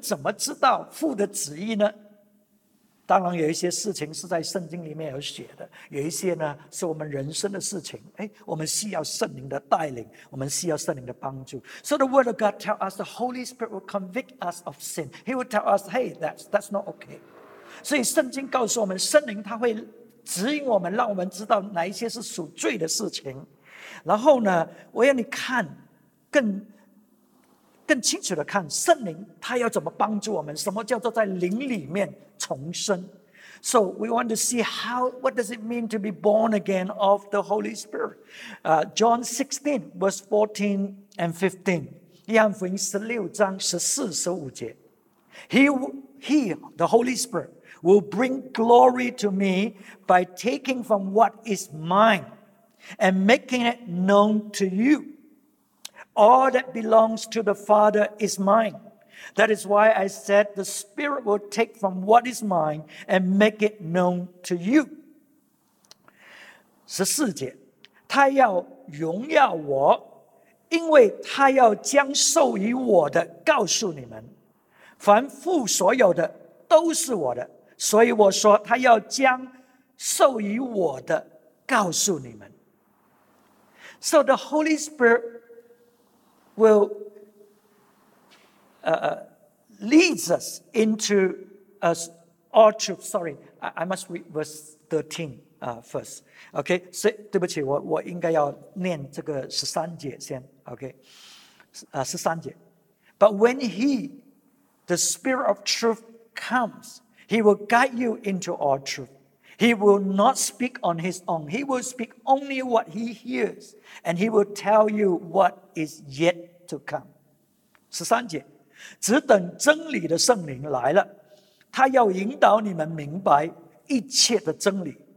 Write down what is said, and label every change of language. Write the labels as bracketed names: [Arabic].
[Chinese] 所以要进入这个神的国里面，我们是要遵行父的旨意。我们怎么知道父的旨意呢？当然有一些事情是在圣经里面有写的，有一些呢是我们人生的事情。我们需要圣灵的带领，我们需要圣灵的帮助。 [English] So the Word of God tells us the Holy Spirit will convict us of sin. He will tell us, hey, that's not okay. [Chinese] 所以圣经告诉我们，圣灵他会指引我们，让我们知道哪一些是属罪的事情。然后呢，我要你看更清楚的看圣灵他要怎么帮助我们，什么叫做在灵里面重生。 [English] So we want to see what does it mean to be born again of the Holy Spirit? John 16, verse 14 and 15. [Chinese] 约翰福音16章14-15节. [English] He, the Holy Spirit, will bring glory to me by taking from what is mine and making it known to you. All that belongs to the Father is mine. That is why I said the Spirit will take from what is mine and make it known to you. [Chinese] 14节，他要荣耀我，因为他要将授予我的告诉你们。凡父所有的都是我的，所以我说他要将授予我的告诉你们。 [English] So the Holy Spirit will leads us into all truth. Sorry, I must read verse 13 first. [Chinese] Okay, so 对不起，我应该要念这个十三节先。Okay, 十三节. [English] But when he, the Spirit of truth, comes, he will guide you into all truth. He will not speak on his own. He will speak only what he hears, and he will tell you what is yet to come. [Chinese] 13节, 只等真理的圣灵来了，他要引导你们明白一切的真理。